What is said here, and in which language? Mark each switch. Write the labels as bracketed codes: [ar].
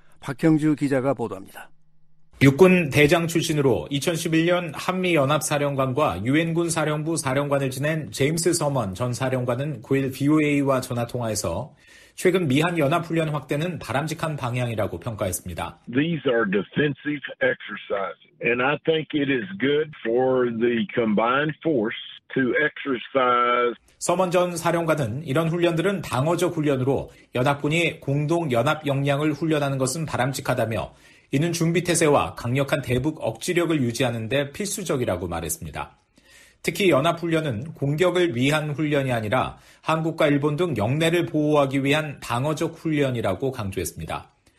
[ko] 박형주 기자가 보도합니다. 육군 대장 출신으로 2011년 한미연합사령관과 유엔군 사령부 사령관을 지낸 제임스 서먼 전 사령관은 9일 VOA와 전화통화에서 최근 미한 연합훈련 확대는 바람직한 방향이라고 평가했습니다. [en] These are defensive exercises, and I think it is good for the combined force to exercise. [ko] 서먼 전 사령관은 이런 훈련들은 방어적 훈련으로 연합군이 공동 연합 역량을 훈련하는 것은 바람직하다며 이는 준비태세와 강력한 대북 억지력을 유지하는 데 필수적이라고 말했습니다. 특히 연합훈련은 공격을 위한 훈련이 아니라 한국과 일본 등 영내를 보호하기 위한 방어적 훈련이라고 강조했습니다.